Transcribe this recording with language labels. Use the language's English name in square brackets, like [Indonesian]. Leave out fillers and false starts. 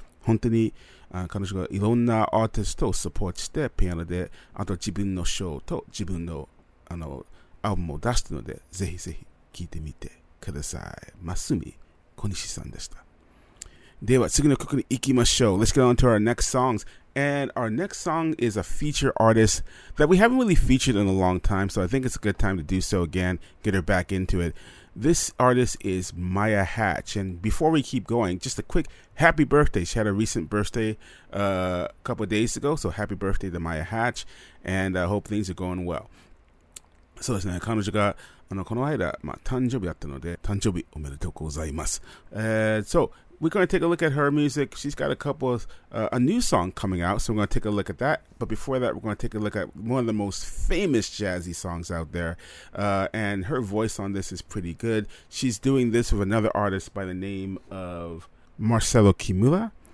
[Japanese] 本当に彼女がいろんなアーティストをサポートしてピアノで、あと自分のショーと自分のアルバムを出したので、ぜひぜひ聴いてみてください。増見小西さんでした。では次の曲に行きましょう。 [English] Let's get on to our next songs. And our next song is a feature artist that we haven't really featured in a long time, so I think it's a good time to do so again, get her back into it. This artist is Maya Hatch. And before we keep going, just a quick happy birthday. She had a recent birthday a couple of days ago. So happy birthday to Maya Hatch. And I hope things are going well. [Japanese] So ですね、彼女がこの間、まあ、誕生日だったので、誕生日おめでとうございます。 [English] So we're going to take a look at her music. She's got a couple of, a new song coming out. So we're going to take a look at that. But before that, we're going to take a look at one of the most famous jazzy songs out there. And her voice on this is pretty good. She's doing this with another artist by the name of Marcelo Kimura.